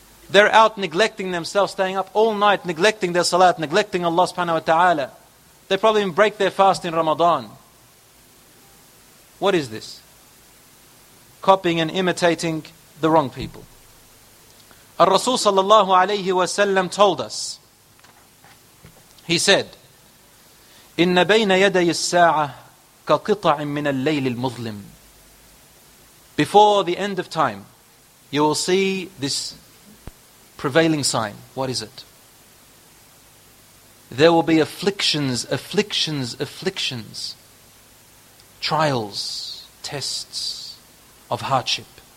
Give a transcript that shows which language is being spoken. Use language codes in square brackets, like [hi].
[en] They're out neglecting themselves, staying up all night, neglecting their salat, neglecting Allah subhanahu wa ta'ala. They probably even break their fast in Ramadan. What is this? Copying and imitating the wrong people. Al-Rasul sallallahu alayhi wa sallam told us. [ar] He said, إِنَّ بَيْنَ يَدَيِ السَّاعَةِ كَقِطَعٍ مِّنَ اللَّيْلِ الْمُظْلِمِ. [en] Before the end of time, you will see this prevailing sign. What is it? There will be afflictions, trials, tests of hardship.